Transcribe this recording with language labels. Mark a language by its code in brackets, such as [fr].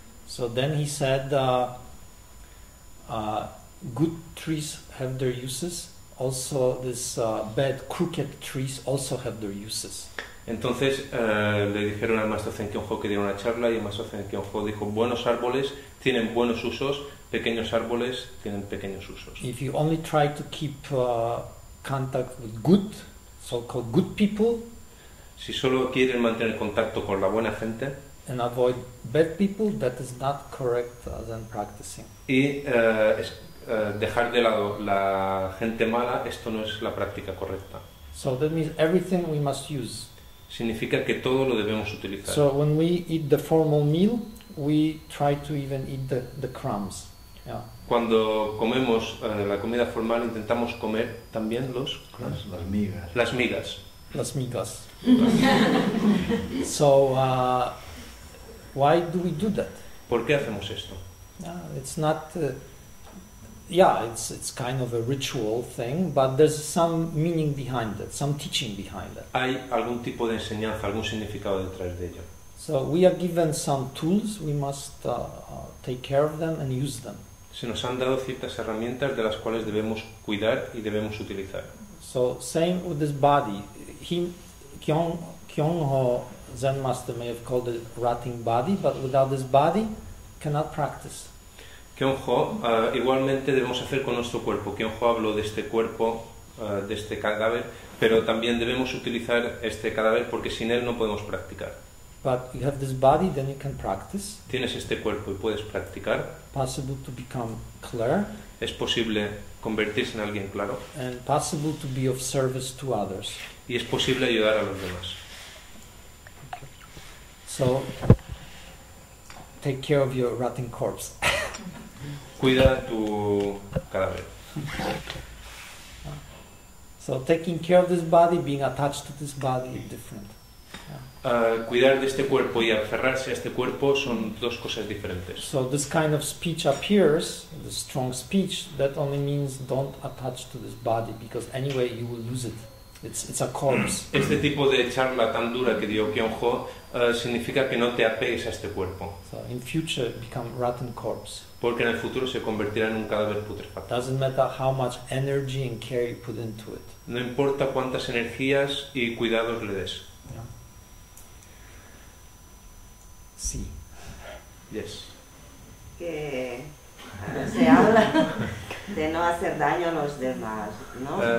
[en] So then he said, good trees have their uses. Also, these bad, crooked trees also have their uses. [es] Entonces le dijeron al maestro Zen Kyungho que diera una charla y el maestro Zen Kyungho dijo: buenos árboles tienen buenos usos, pequeños árboles tienen pequeños usos. [en] If you only try to keep contact with good, so-called good people, [es] si solo quieren mantener contacto con la buena gente, [en] and avoid bad people, that is not correct Zen practicing. [es] Y dejar de lado la gente mala, esto no es la práctica correcta. [en] So that means everything we must use. [es] Significa que todo lo debemos utilizar. [en] So when we eat the formal meal, we try to even eat the crumbs. Yeah. [es] Cuando comemos la comida formal, intentamos comer también los crumbs. Las migas. [en] So why do we do that? [es] ¿Por qué hacemos esto? [en] It's not. It's kind of a ritual thing, but there's some meaning behind it, some teaching behind it. [es] Hay algún tipo de enseñanza, algún significado detrás de ello. [en] So we are given some tools, we must take care of them and use them. [es] Se nos han dado ciertas herramientas de las cuales debemos cuidar y debemos utilizar. [en] So same with this body. Kyung-ho Zen Master may have called it rotting body, but without this body, cannot practice. [es] Kyung-ho, igualmente debemos hacer con nuestro cuerpo. Kyung-ho habló de este cuerpo, de este cadáver, pero también debemos utilizar este cadáver porque sin él no podemos practicar. [en] But you have this body, then you can practice. [es] Tienes este cuerpo y puedes practicar. [en] Possible to become clear. [es] Es posible convertirse en alguien claro. [en] And possible to be of service to others. [es] Y es posible ayudar a los demás. [en] Okay. So, take care of your rotting corpse. [es] Cuida tu cadáver. [en] So, taking care of this body, being attached to this body is different. [es] Cuidar de este cuerpo y aferrarse a este cuerpo son dos cosas diferentes. [en] So this kind of speech appears, the strong speech, that only means don't attach to this body, because anyway you will lose it. It's a corpse. [es] Este tipo de charla tan dura que dio Kyung-ho significa que no te apegues a este cuerpo. [en] So in future become rotten corpse. [es] Porque en el futuro se convertirá en un cadáver putrefacto. [en] Doesn't matter how much energy and care you put into it. [es] No importa cuántas energías y cuidados le des. Sí. [en] Yes. [es] Que se habla de no hacer daño a los demás, ¿no?